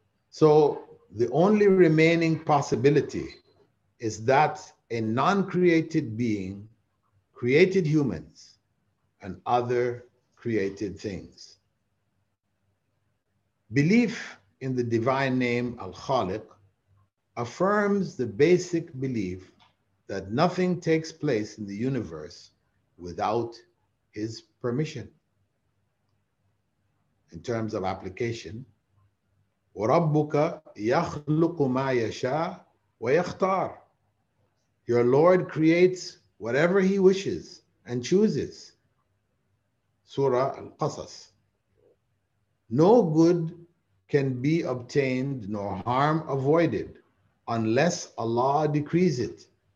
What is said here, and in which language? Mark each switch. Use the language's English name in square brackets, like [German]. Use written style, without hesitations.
[English] So the only remaining possibility is that a non-created being created humans and other created things. Belief in the divine name Al-Khaliq affirms the basic belief that nothing takes place in the universe without his permission. In terms of application, [Arabic] وَرَبُّكَ يَخْلُقُ مَا يَشَاءُ وَيَخْتَارُ. [English] Your Lord creates whatever he wishes and chooses. Surah Al-Qasas. No good can be obtained nor harm avoided unless Allah decrees it.